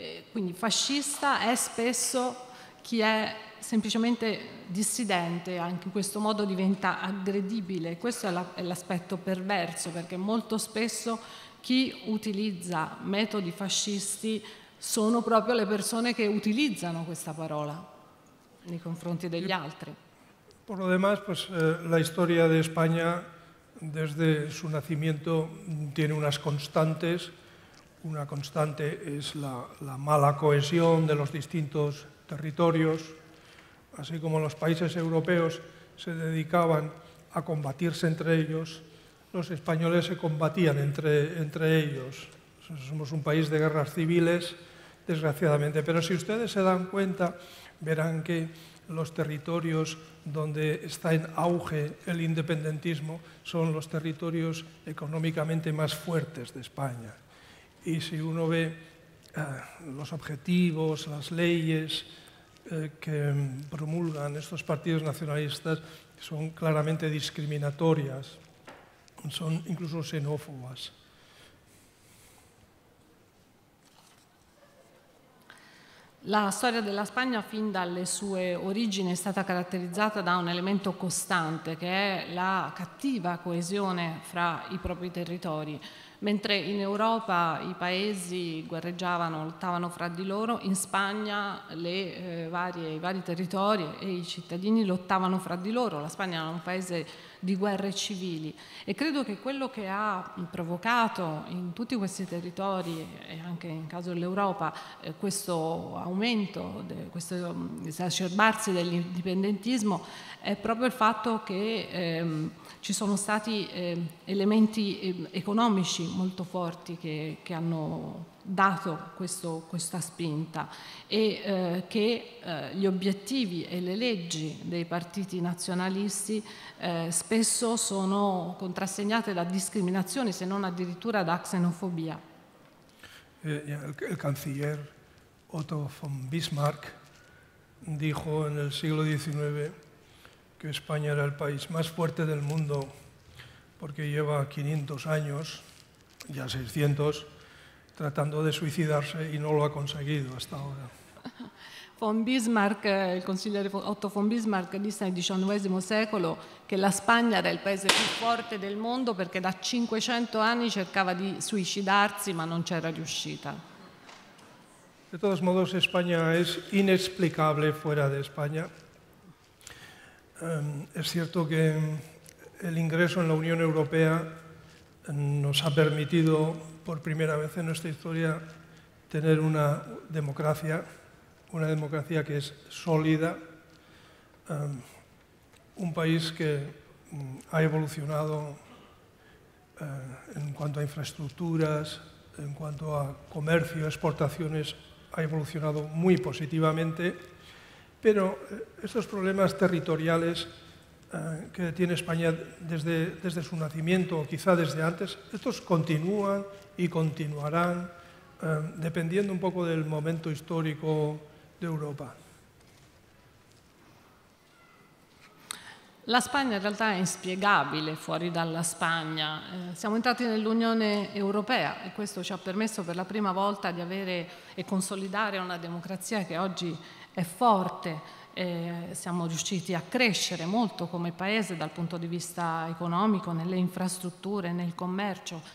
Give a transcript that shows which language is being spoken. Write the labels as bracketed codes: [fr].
[it] Quindi fascista è spesso chi è semplicemente dissidente, anche in questo modo diventa aggredibile. Questo è l'aspetto perverso, perché molto spesso chi utilizza metodi fascisti sono proprio le persone che utilizzano questa parola nei confronti degli altri. [es] Por lo demás, pues la historia de España desde su nacimiento tiene unas constantes. Una constante es la mala cohesión de los distintos territorios. Así como los países europeos se dedicaban a combatirse entre ellos, los españoles se combatían entre ellos. Somos un país de guerras civiles, desgraciadamente. Pero si ustedes se dan cuenta, verán que los territorios donde está en auge el independentismo son los territorios económicamente más fuertes de España. Y si uno ve los objetivos, las leyes que promulgan estos partidos nacionalistas, son claramente discriminatorias, son incluso xenófobas. [it] La storia della Spagna fin dalle sue origini è stata caratterizzata da un elemento costante, che è la cattiva coesione fra i propri territori. Mentre in Europa i paesi guerreggiavano, lottavano fra di loro, in Spagna i vari territori e i cittadini lottavano fra di loro. La Spagna era un paese di guerre civili, e credo che quello che ha provocato in tutti questi territori e anche in caso dell'Europa questo aumento, questo esacerbarsi dell'indipendentismo è proprio il fatto che ci sono stati elementi economici molto forti che hanno dato questa spinta e che gli obiettivi e le leggi dei partiti nazionalisti spesso sono contrassegnate da discriminazioni, se non addirittura da xenofobia. [es] Il canciller Otto von Bismarck dijo en el siglo XIX que España era el país más fuerte del mundo porque lleva 500 años, ya 600, tratando de suicidarse y no lo ha conseguido hasta ahora. [it] Von Bismarck, il consigliere Otto von Bismarck, disse nel XIX secolo che la Spagna era il paese più forte del mondo perché da 500 anni cercava di suicidarsi ma non c'era riuscita. [es] De todos modos, España es inexplicable fuera de España. Es cierto que el ingreso en la Unión Europea nos ha permitido, por primera vez en nuestra historia, tener una democracia que es sólida, un país que ha evolucionado en cuanto a infraestructuras, en cuanto a comercio, exportaciones, ha evolucionado muy positivamente, pero estos problemas territoriales que tiene España desde su nacimiento o quizá desde antes, estos continúan y continuarán dependiendo un poco del momento histórico de Europa. [it] La Spagna in realtà è inspiegabile fuori dalla Spagna. Siamo entrati nell'Unione Europea e questo ci ha permesso per la prima volta di avere e consolidare una democrazia che oggi è forte. Siamo riusciti a crescere molto come paese dal punto di vista economico, nelle infrastrutture, nel commercio.